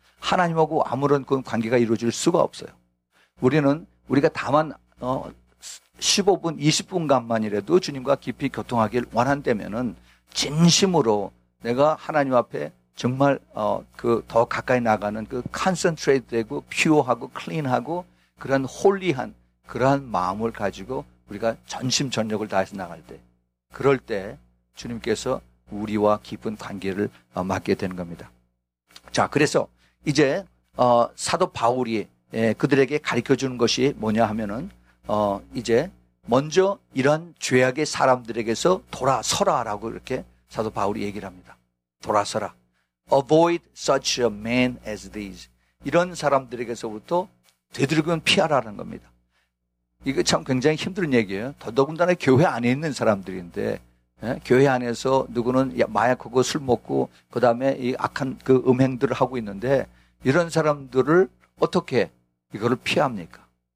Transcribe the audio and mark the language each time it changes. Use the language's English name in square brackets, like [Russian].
[Korean] 하나님하고 아무런 그 관계가 이루어질 수가 없어요. 우리가 다만, 15분, 20분간만이라도 주님과 깊이 교통하길 원한다면은 진심으로 내가 하나님 앞에 정말 더 가까이 나가는 그 컨센트레이트 되고 퓨어하고 클린하고 그런 홀리한 그러한 마음을 가지고 우리가 전심전력을 다해서 나갈 때 그럴 때 주님께서 우리와 깊은 관계를 맡게 되는 겁니다. 자, 그래서 이제 사도 바울이 그들에게 가르쳐 주는 것이 뭐냐 하면은 이제 먼저 이런 죄악의 사람들에게서 돌아서라라고 이렇게 사도 바울이 얘기를 합니다. 돌아서라. [English] Avoid such a man as these. [Korean] 이런 사람들에게서부터 되드리면 피하라는 겁니다. 이거 참 굉장히 힘든 얘기예요. 더더군다나 교회 안에 있는 사람들인데, 교회 안에서 누구는 마약하고 술 먹고, 그 다음에 이 악한 그 음행들을 하고 있는데, 이런 사람들을 어떻게 이거를 피합니까?